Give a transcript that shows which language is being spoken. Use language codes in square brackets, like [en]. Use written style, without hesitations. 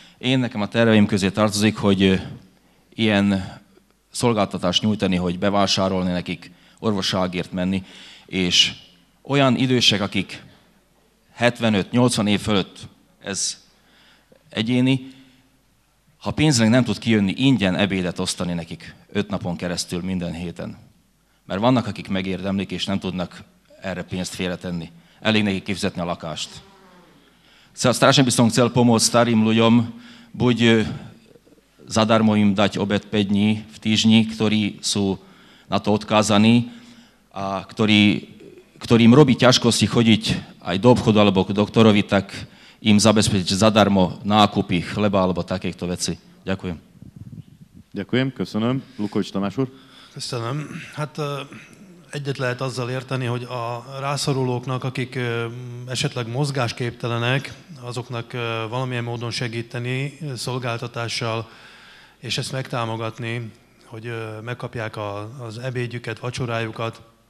[hu] Én nekem a terveim közé tartozik, hogy ilyen szolgáltatást nyújtani, hogy bevásárolni nekik, orvosságért menni, és olyan idősek, akik 75-80 év fölött, ez egyéni, ha pénzleg nem tud kijönni, ingyen ebédet osztani nekik 5 napon keresztül minden héten. Mert vannak, akik megérdemlik, és nem tudnak erre pénzt félretenni. Elég nekik kifizetni a lakást. [sk] Szóval strašne by som chcel pomôcť starým ľuďom, buď zadarmo im dať obed 5 dní v týždni, ktorí sú na to odkázaní a ktorým robí ťažkosti chodiť aj do obchodu alebo k doktorovi, tak im zabezpečiť zadarmo nákupy chleba alebo takéchto veci. Ďakujem. Ďakujem, [hu] köszönöm. Lukovič Tamás úr. Köszönöm. Hát egyet lehet azzal érteni, hogy a rászorulóknak, akik esetleg mozgásképtelenek, azoknak valamilyen módon segíteni szolgáltatással, és ezt megtámogatni, hogy megkapják az ebédjüket, vacsorájukat.